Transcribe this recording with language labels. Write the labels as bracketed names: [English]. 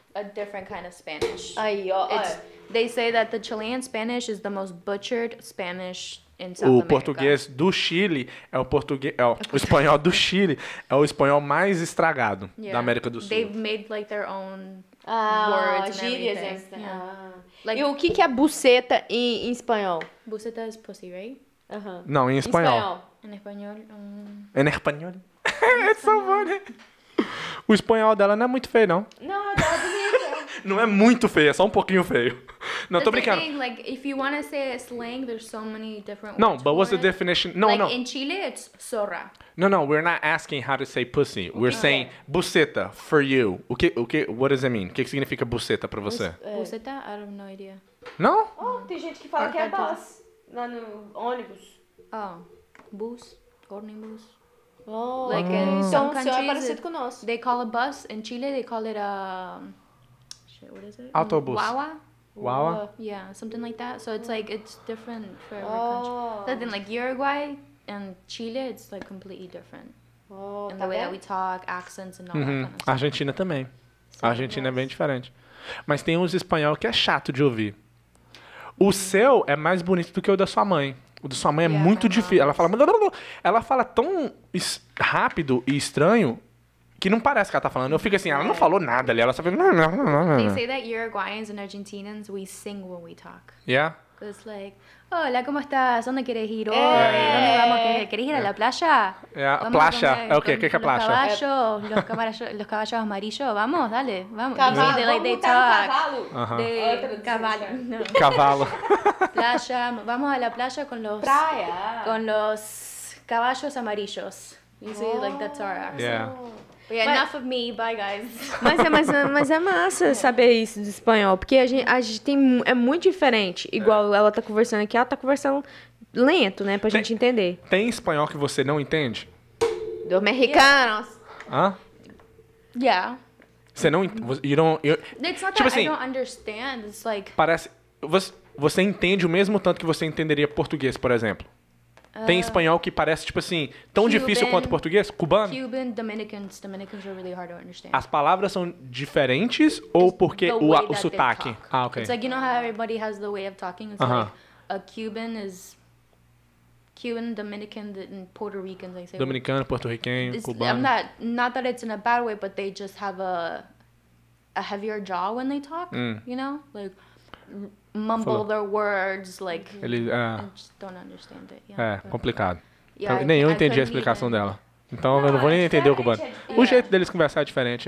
[English] A different kind of Spanish. They say that the Chilean Spanish is the most butchered Spanish in South America. [Portuguese] O português do Chile é o português, é o espanhol do Chile é o espanhol mais estragado da América do Sul. [English] They've made like their own words [Portuguese] and gírias. Like, e o que é buceta em espanhol? [English] Buceta is pussy, right? Uh-huh. [Portuguese] Não, em espanhol. Em espanhol. Em espanhol. É só bonito. O espanhol dela não é muito feio, não. Não, ela é bonita. Não é muito feio, é só um pouquinho feio. Não, tô brincando. [English] Thing, like, if you want to say a slang, there's so many different [Portuguese] não, [English] words. No, but what's the definition? No, like, no. Like, in Chile, it's zorra. No, no, we're not asking how to say pussy. We're saying buceta for you. [Portuguese] O que, [English] what does it mean? [Portuguese] O que significa buceta pra você? [English] Buceta? I have no idea. [Portuguese] Não? Oh, tem gente que fala que é bus. Lá no ônibus. [English] Oh, bus, ônibus. Oh, like in [Portuguese] então, [English] some countries, [Portuguese] é parecido conosco. [English] They call a bus in Chile, they call it a what is it? [Spanish] Autobus. Wawa? [English] Yeah, something like that. So it's like it's different for every country. But then like Uruguay and Chile, it's like completely different. Oh, and the way that we talk, accents and all that kind of stuff. [Portuguese] Argentina também. [English] So, [Portuguese] Argentina é bem diferente. Mas tem uns espanhol que é chato de ouvir. O seu é mais bonito do que o da sua mãe. O da sua mãe é muito difícil. Ela fala... Ela fala tão rápido e estranho que não parece que ela tá falando. Eu fico assim, ela não falou nada ali. Ela só fica... [English] They say that Uruguayans and Argentinians, we sing when we talk. Yeah? Because it's like, [Spanish] hola, ¿cómo estás? ¿Dónde quieres ir hoy? ¿Dónde vamos? ¿Quieres ir a la playa? [English] Yeah, playa. Okay, [Spanish] ¿qué que es playa? Los caballos, los caballos amarillos. Vamos, dale, vamos. [Portuguese] Cavalo, [English] they, like, they talk. [Portuguese] Cavalo. Uh-huh. Cavalo. [Spanish] Playa, vamos a la playa con los... [Portuguese] Praia. [Spanish] Con los caballos amarillos. [English] You see, like, that's our accent. Yeah. But yeah, enough of me, bye guys. [Portuguese] Mas é massa saber isso do espanhol, porque a gente tem é muito diferente, igual ela tá conversando aqui, ela tá conversando lento, né, pra gente entender. Tem espanhol que você não entende? Do americano. Hã? [English] Yeah. [Portuguese] Você não entende? [English] You don't... It's not that [Portuguese] assim, [English] I don't understand, it's like... [Portuguese] Parece... Você entende o mesmo tanto que você entenderia português, por exemplo. Tem espanhol que parece, tipo assim, tão difícil quanto português? Cubano? [English] Cuban, Dominicans. Dominicans are really hard to understand. [Portuguese] As palavras são diferentes ou porque o sotaque? Ah, ok. [English] It's like, you know how everybody has the way of talking? It's like, a Cuban is... Cuban, Dominican, and Puerto Rican, they say. [Portuguese] Dominicano, porto-riquenho, cubano. [English] Not that it's in a bad way, but they just have a heavier jaw when they talk, you know? Like... Mumble their words, like... [Portuguese] Ele, [English] I just don't understand it. Yeah, [Portuguese] é, [English] but, [Portuguese] complicado. [English] Yeah, [Portuguese] nem eu entendi a explicação dela. Então, [English] no, [Portuguese] eu não vou nem entender o cubano. [English] Yeah. [Portuguese] O jeito deles conversar é diferente,